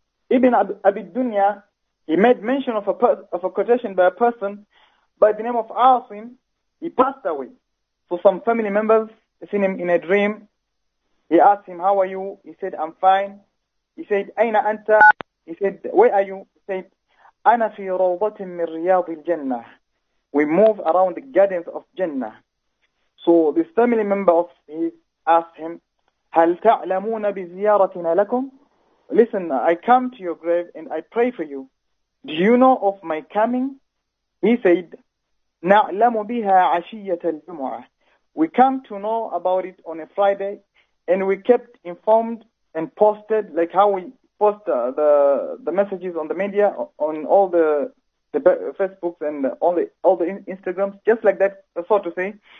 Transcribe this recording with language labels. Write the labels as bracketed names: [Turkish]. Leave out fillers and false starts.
[English] Ibn Abi Dunya, he made mention of a quotation by a person by the name of Asim. He passed away. So some family members seen him in a dream. He asked him, how are you? He said, I'm fine. He said, [Arabic] أَيْنَ أَنْتَ? [English] He said, where are you? He said, [Arabic] أَنَا فِي رَوْضَةٍ مِنْ رِيَاضِ الْجَنَّةِ. [English] We move around the gardens of Jannah. So this family member of his asked him, [Arabic] هَلْ تَعْلَمُونَ بِزِيَارَتِنَا لَكُمْ? [English] Listen, I come to your grave and I pray for you. Do you know of my coming? He said, [Arabic] نَعْلَمُ بِهَا عَشِيَّةَ الْجُمُعَةِ. [English] We come to know about it on a Friday, and we kept informed and posted, like how we post the messages on the media, on all the Facebooks and all the Instagrams, just like that, so to say.